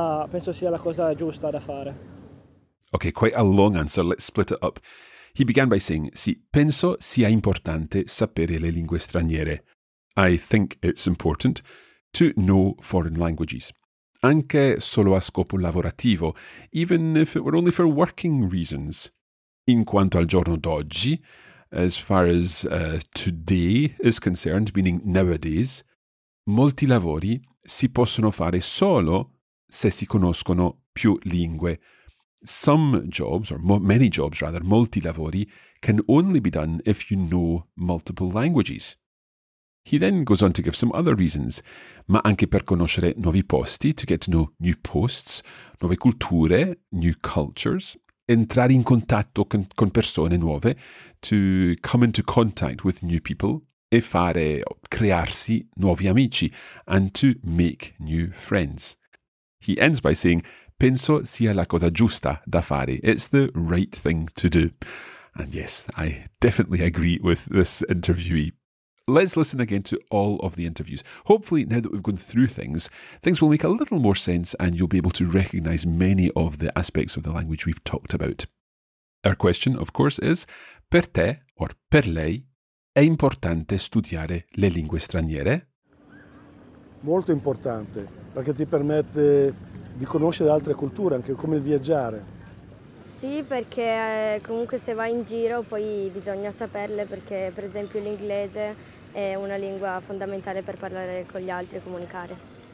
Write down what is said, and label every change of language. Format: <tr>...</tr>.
<it>Penso sia la cosa giusta da fare.</it> <en>Okay, quite a long answer. Let's split it up. He began by saying,</en> <it>sì, penso sia importante sapere le lingue straniere.</it> <en>I think it's important to know foreign languages.</en> <it>Anche solo a scopo lavorativo,</it> <en>even if it were only for working reasons.</en> <it>In quanto al giorno d'oggi,</it> <en>as far as today is concerned, meaning nowadays,</en> <it>molti lavori si possono fare solo se si conoscono più lingue.</it> <en>Some jobs, or many jobs rather,</en> <it>molti lavori,</it> <en>can only be done if you know multiple languages. He then goes on to give some other reasons,</en> <it>ma anche per conoscere nuovi posti,</it> <en>to get to know new posts,</en> <it>nuove culture,</it> <en>new cultures,</en> <it>entrare in contatto con persone nuove,</it> <en>to come into contact with new people,</en> <it>e fare, crearsi nuovi amici,</it> <en>and to make new friends. He ends by saying,</en> <it>penso sia la cosa giusta da fare.</it> <en>It's the right thing to do. And yes, I definitely agree with this interviewee. Let's listen again to all of the interviews. Hopefully, now that we've gone through things, things will make a little more sense and you'll be able to recognise many of the aspects of the language we've talked about. Our question, of course, is,</en> <it>per te, or per lei, è importante studiare le lingue straniere? Molto importante, perché ti permette di conoscere altre culture, anche come il viaggiare. Sì, perché comunque se vai in giro poi bisogna saperle, perché per esempio l'inglese è una lingua fondamentale per parlare con gli altri e comunicare.</it>